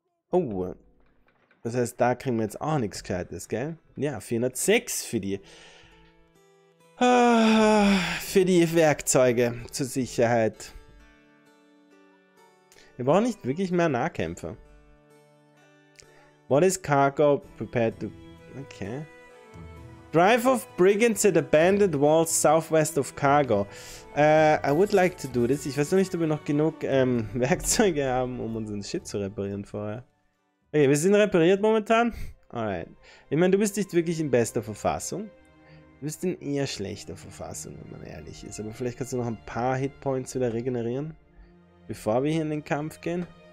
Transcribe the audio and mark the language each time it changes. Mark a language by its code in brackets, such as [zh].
[de] Oh. Das heißt, da kriegen wir jetzt auch nichts Gescheites, gell? Ja, 406 für die. Für die Werkzeuge zur Sicherheit. Wir brauchen nicht wirklich mehr Nahkämpfer. [en] What is cargo prepared to... Okay. Drive of brigands at abandoned walls southwest of cargo. I would like to do this. [de] Ich weiß noch nicht, ob wir noch genug Werkzeuge haben, um unseren Shit zu reparieren vorher. Okay, wir sind repariert momentan. Alright. Ich meine, du bist nicht wirklich in bester Verfassung. Du bist in eher schlechter Verfassung, wenn man ehrlich ist. Aber vielleicht kannst du noch ein paar Hitpoints wieder regenerieren, bevor wir hier in den Kampf gehen.